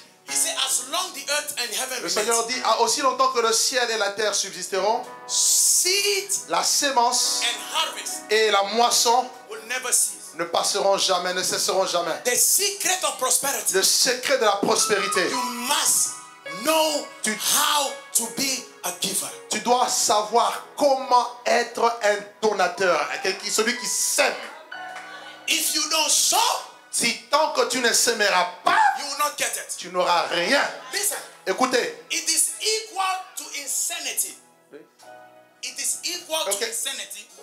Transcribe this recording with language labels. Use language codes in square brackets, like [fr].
[en] he said, as long the earth and heaven [fr] le Seigneur dit, aussi longtemps que le ciel et la terre subsisteront, [en] seed [fr] la sémence [en] and harvest [fr] et la moisson [en] will never cease. [fr] Ne passeront jamais, ne cesseront jamais. [en] The secret of prosperity, [fr] le secret de la prospérité, [en] you must know how to be a giver. [fr] Tu dois savoir comment être un donateur, celui qui sème. [en] If you don't sow, [fr] si tant que tu ne sèmeras pas, [en] you will not get it. [fr] Tu n'auras rien. [en] Listen, [fr] écoutez. [en] It is equal to insanity. It is equal okay. to insanity.